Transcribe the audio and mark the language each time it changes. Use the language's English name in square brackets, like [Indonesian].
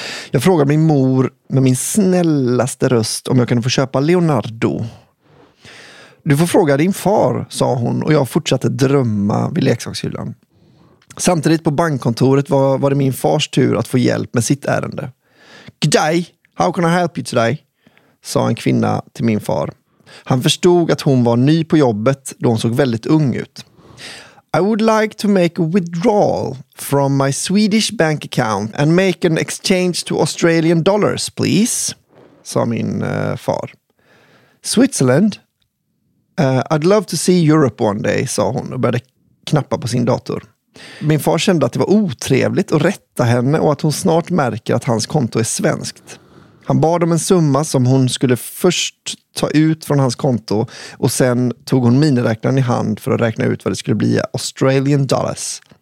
[Swedish] Jag frågade min mor med min snällaste röst om jag kunde få köpa Leonardo. Du får fråga din far, sa hon, och jag fortsatte drömma vid leksakshyllan. Samtidigt på bankkontoret var det min fars tur att få hjälp med sitt ärende. [English] Good day, how can I help you today? [Swedish] Sa en kvinna till min far. Han förstod att hon var ny på jobbet då hon såg väldigt ung ut. [English] I would like to make a withdrawal from my Swedish bank account and make an exchange to Australian dollars, please, [Swedish] sa min far. [English] Switzerland? I'd love to see Europe one day, [Swedish] sa hon och började knappa på sin dator. Min far kände att det var otrevligt att rätta henne och att hon snart märker att hans konto är svenskt. Han bad om en summa som hon skulle först ta ut från hans konto och sen tog hon miniräknaren i hand för att räkna ut vad det skulle bli Australian dollars.